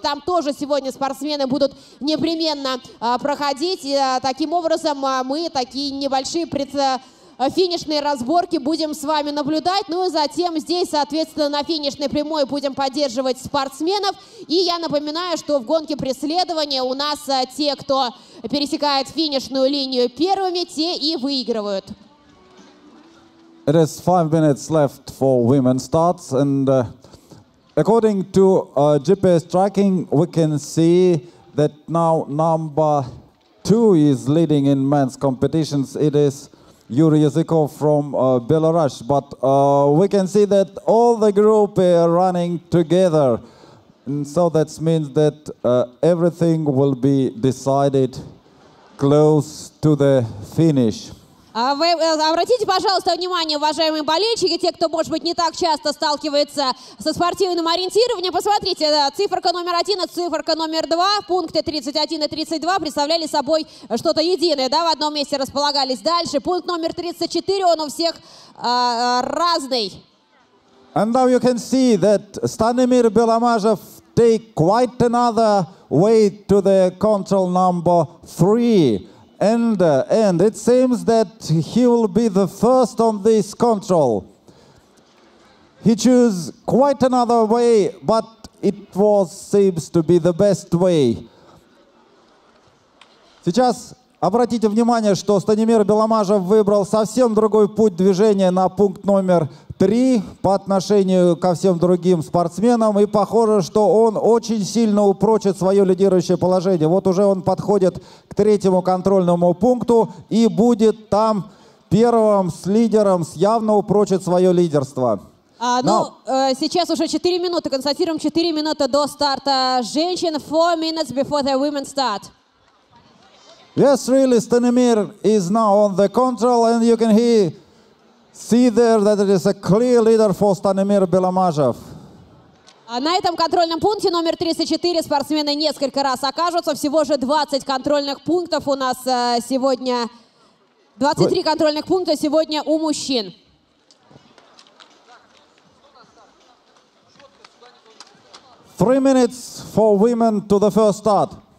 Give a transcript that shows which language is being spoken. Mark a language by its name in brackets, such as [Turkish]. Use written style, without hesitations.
[Russian] Там тоже сегодня спортсмены будут непременно проходить. И, таким образом, мы такие небольшие финишные разборки будем с вами наблюдать. Ну и затем здесь, соответственно, на финишной прямой будем поддерживать спортсменов. И я напоминаю, что в гонке преследования у нас те, кто пересекает финишную линию первыми, те и выигрывают. [English] It is 5 minutes left for women's starts. And according to GPS tracking, we can see that now number 2 is leading in men's competitions. It is Yuri Yazykov from Belarus, but we can see that all the group are running together, and so that means that everything will be decided close to the finish. [Russian] Вы обратите, пожалуйста, внимание, уважаемые болельщики, те, кто, может быть, не так часто сталкивается со спортивным ориентированием. Посмотрите, циферка номер 1 и циферка номер 2, пункты 31 и 32 представляли собой что-то единое, да, в одном месте располагались. Дальше пункт номер 34, он у всех разный. [English] And now you can see that Stanimir Belomazov take quite another way to the control number three. And it seems that he will be the first on this control. He choose quite another way, but it was seems to be the best way. [Russian] Сейчас обратите внимание, что Станимир Беломажев выбрал совсем другой путь движения на пункт номер 3 по отношению ко всем другим спортсменам, и похоже, что он очень сильно упрочит свое лидирующее положение. Вот уже он подходит к третьему контрольному пункту и будет там первым с лидером, явно упрочит свое лидерство. Сейчас уже 4 минуты, констатируем 4 минуты до старта женщин, [English] 4 minutes before the women start. Yes, really, Stanimir is now on the control, and you can see there that it is a clear leader for Stanimir Belomazov. [Russian] На этом контрольном пункте номер 34 спортсмены несколько раз окажутся. Всего же 20 контрольных пунктов у нас сегодня. 23 контрольных пункта сегодня у мужчин. [English] Three minutes for women to the first start.